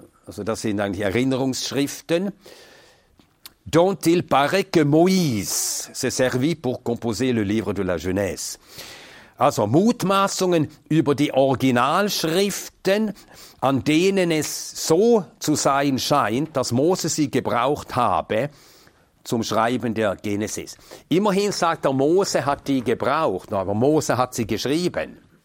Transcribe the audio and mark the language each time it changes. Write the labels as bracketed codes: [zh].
[de] Also das sind eigentlich Erinnerungsschriften. [fr] Dont il paraît que Moïse s'est servi pour composer le livre de la Genèse. [de] Also Mutmaßungen über die Originalschriften, an denen es so zu sein scheint, dass Mose sie gebraucht habe zum Schreiben der Genesis. Immerhin sagt er, Mose hat die gebraucht, aber Mose hat sie geschrieben.